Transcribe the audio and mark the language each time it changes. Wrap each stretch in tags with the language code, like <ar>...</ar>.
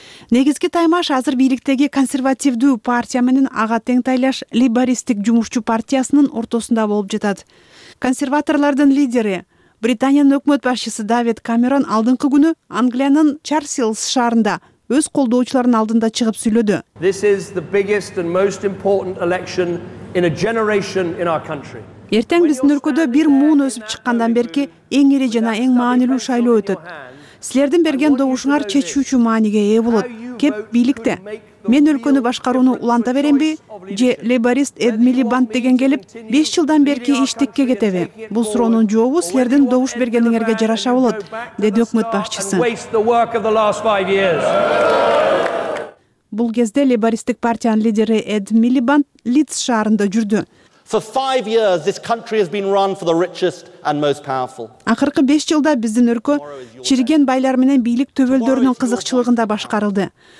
<ky>Негизги таймаш азыр бийликтеги консервативдүү партия менен ага тең тайлаш либористтик жумушчу партиясынын ортосунда болуп жатат. Консерваторлордун лидери, Британиянын өкмөт башчысы Давид Камерон алдыңкы күнү Англиянын Чарсилс шаарында өз колдоочуларынын алдында чыгып сүйлөдү.</ky> <en>This is the biggest and most important election in a generation in our country.</en> <ky>Эртең биздин өлкөдө бир муун өсүп чыккандан берки эң ири жана эң маанилүү шайлоо өтөт. Силердин берген добушуңар чечүүчү мааниге ээ болот. Кеп бийликте. Мен өлкөнү башкарууну уланта беремби же лейборист Эд Милибанд деген келип 5 жылдан берки иштикке кетеби? Бул суроонун жообу силердин добуш бергениңерге жараша болот, деди өкмөт башчысы. Бул кезде лейбористтик партиянын лидери Эд Милибанд Лидс шаарында жүрдү.</ky> <en>For 5 years this country has been run for the richest and most powerful.</en> <ky>Акыркы 5 жылда биздин өлкө чирген байлар менен бийлик төбөлдөрүнүн кызыкчылыгында башкарылды.</ky>